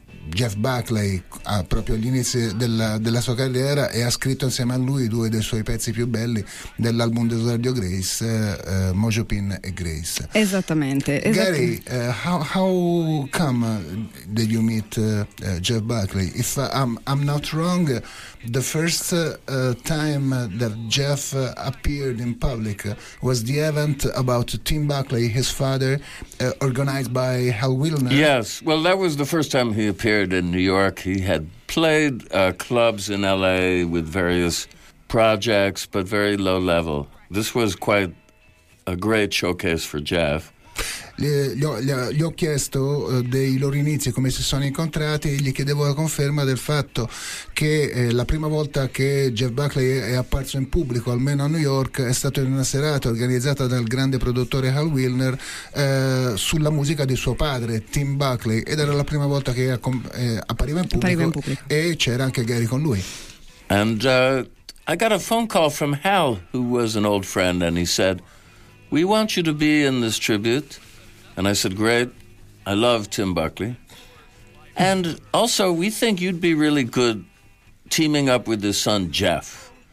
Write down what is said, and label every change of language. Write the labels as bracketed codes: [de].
[it] Jeff Buckley proprio agli inizi della sua carriera, e ha scritto insieme a lui due dei suoi pezzi più belli dell'album d'esordio Grace, Mojo Pin e Grace. Esattamente. [en] Gary, how come did you meet Jeff Buckley? If I'm not wrong, the first time that Jeff appeared in public was the event about Tim Buckley, his father, organized by Hal Wilner. Yes, well, that was the first time he appeared in New York. He had played clubs in L.A. with various projects, but very low level. This was quite a great showcase for Jeff. [it] Gli ho chiesto dei loro inizi, come si sono incontrati, e gli chiedevo la conferma del fatto che la prima volta che Jeff Buckley è apparso in pubblico, almeno a New York, è stato in una serata organizzata dal grande produttore Hal Wilner sulla musica di suo padre Tim Buckley, ed era la prima volta che appariva in pubblico, e c'era anche Gary con lui. [en] And I got a phone call from Hal, who was an old friend, and he said, "We want you to be in this tribute." And I said, "Great, I love Tim Buckley. And also, we think you'd be really good teaming up with his son, Jeff."